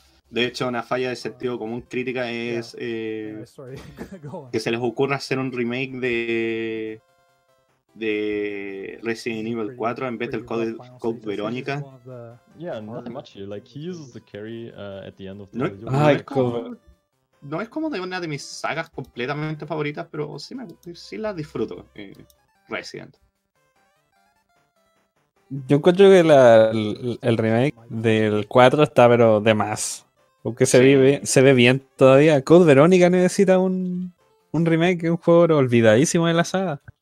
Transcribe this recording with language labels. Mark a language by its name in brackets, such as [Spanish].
[Spanish] De hecho, una falla de sentido común crítica es que se les ocurra hacer un remake de Resident Evil 4 en vez del code Verónica. [English] Yeah, not much here. Like he uses the carry at the end of the. [Spanish] No, no es como de una de mis sagas completamente favoritas, pero sí la disfruto. Resident. Yo encuentro que el remake del 4 está, pero de más. Porque se ve bien todavía. Code Verónica necesita un remake, un juego olvidadísimo de la saga.